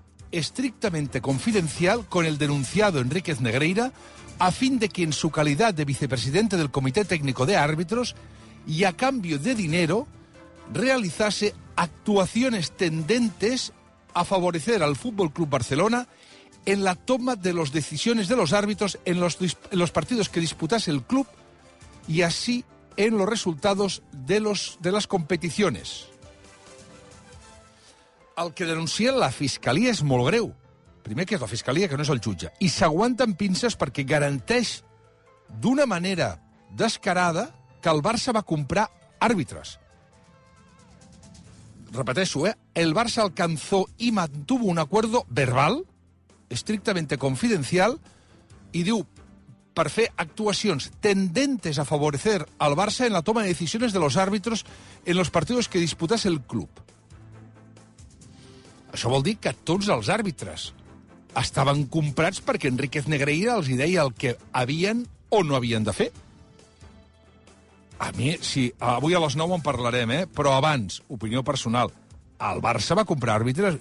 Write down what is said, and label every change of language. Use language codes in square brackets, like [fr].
[es] estrictamente confidencial con el denunciado Enríquez Negreira a fin de que en su calidad de vicepresidente del Comité Técnico de Árbitros y a cambio de dinero realizase actuaciones tendentes a favorecer al Fútbol Club Barcelona en la toma de las decisiones de los árbitros en los partidos que disputase el club y así en los resultados de las competiciones. [ca] El que denuncia la Fiscalia és molt greu. Primer, que és la Fiscalia, que no és el jutge. I s'aguanta amb pinces perquè garanteix d'una manera descarada que el Barça va comprar àrbitres. Repeteixo, [es] El Barça alcanzó y mantuvo un acuerdo verbal, estrictamente confidencial, [ca] i diu, per fer actuacions [es] tendentes a favorecer al Barça en la toma de decisiones de los árbitros en los partidos que disputase el club. [ca] Això vol dir que tots els àrbitres estaven comprats perquè Enríquez Negreira els deia el que havien o no havien de fer. A mi, sí, avui a les 9 en parlarem, però abans, opinió personal, el Barça va comprar àrbitres?